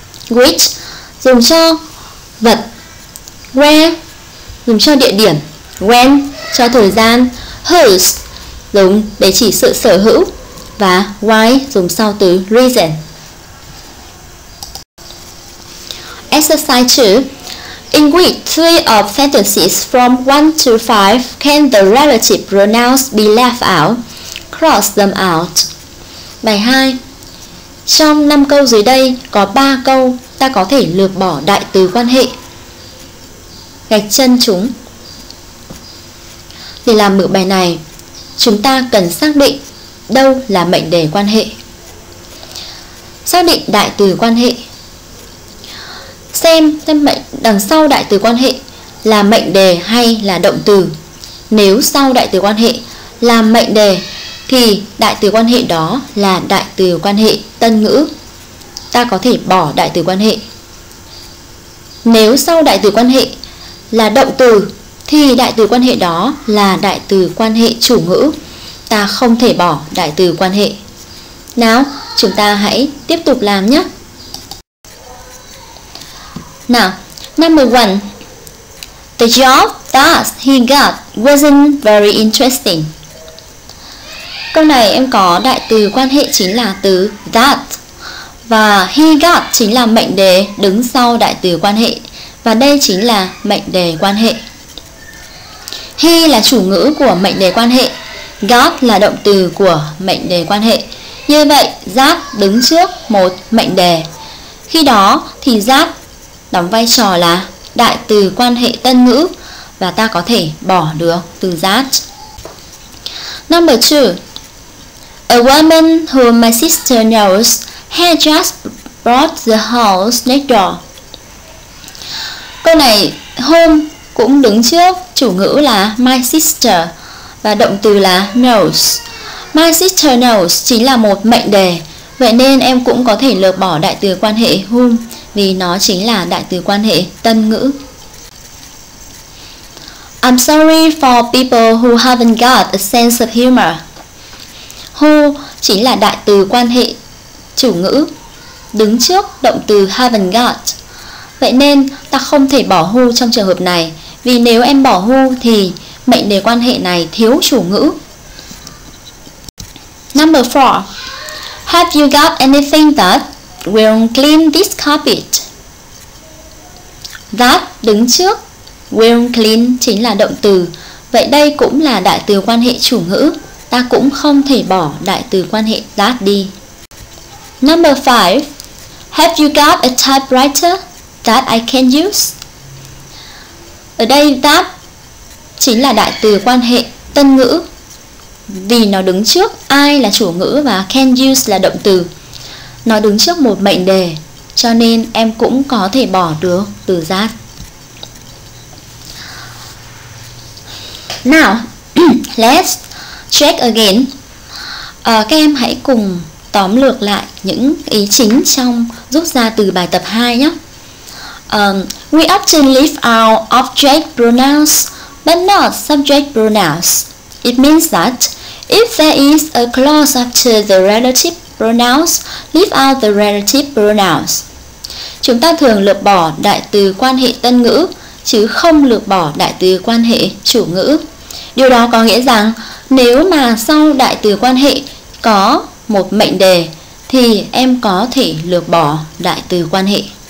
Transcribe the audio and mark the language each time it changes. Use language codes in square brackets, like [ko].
[vi] Which dùng cho vật, where dùng cho địa điểm, when cho thời gian, whose dùng để chỉ sự sở hữu và why dùng sau từ reason. [en] Exercise 2. In which three of sentences from 1 to 5 can the relative pronouns be left out? Cross them out. [vi] Bài 2. Trong 5 câu dưới đây có 3 câu ta có thể lược bỏ đại từ quan hệ. Gạch chân chúng. Để làm được bài này, chúng ta cần xác định đâu là mệnh đề quan hệ. Xác định đại từ quan hệ. Xem mệnh đằng sau đại từ quan hệ là mệnh đề hay là động từ. Nếu sau đại từ quan hệ là mệnh đề thì đại từ quan hệ đó là đại từ quan hệ tân ngữ. Ta có thể bỏ đại từ quan hệ. Nếu sau đại từ quan hệ là động từ thì đại từ quan hệ đó là đại từ quan hệ chủ ngữ. Ta không thể bỏ đại từ quan hệ. Nào, chúng ta hãy tiếp tục làm nhé. [en] Now, number one, the job that he got wasn't very interesting. [vi] Câu này em có đại từ quan hệ chính là từ that. Và [en] he got [vi] chính là mệnh đề đứng sau đại từ quan hệ. Và đây chính là mệnh đề quan hệ. He là chủ ngữ của mệnh đề quan hệ. Got là động từ của mệnh đề quan hệ. Như vậy, that đứng trước một mệnh đề. Khi đó thì that đóng vai trò là đại từ quan hệ tân ngữ và ta có thể bỏ được từ that. [en] Number 2. A woman whom my sister knows had just bought the house next door. [vi] Câu này whom cũng đứng trước chủ ngữ là my sister và động từ là knows. [en] My sister knows [vi] chính là một mệnh đề, vậy nên em cũng có thể lược bỏ đại từ quan hệ whom vì nó chính là đại từ quan hệ tân ngữ. [en] I'm sorry for people who haven't got a sense of humor. [vi] Who chính là đại từ quan hệ chủ ngữ đứng trước động từ [en] haven't got. [vi] Vậy nên ta không thể bỏ who trong trường hợp này, vì nếu em bỏ who thì mệnh đề quan hệ này thiếu chủ ngữ. [en] Number 4. Have you got anything that will clean this carpet? [vi] That đứng trước [en] will clean [vi] chính là động từ, vậy đây cũng là đại từ quan hệ chủ ngữ, ta cũng không thể bỏ đại từ quan hệ that đi. [en] Number 5. Have you got a typewriter that I can use? [vi] Ở đây that chính là đại từ quan hệ tân ngữ, vì nó đứng trước I là chủ ngữ và [en] can use [vi] là động từ. Nó đứng trước một mệnh đề, cho nên em cũng có thể bỏ được từ that. [en] Now, let's check again. [vi] Các em hãy cùng tóm lược lại những ý chính trong rút ra từ bài tập 2 nhé. [en] We often leave out object pronouns, but not subject pronouns. It means that if there is a clause after the relative pronouns, leave out the relative pronouns. [vi] Chúng ta thường lược bỏ đại từ quan hệ tân ngữ chứ không lược bỏ đại từ quan hệ chủ ngữ. Điều đó có nghĩa rằng nếu mà sau đại từ quan hệ có một mệnh đề thì em có thể lược bỏ đại từ quan hệ.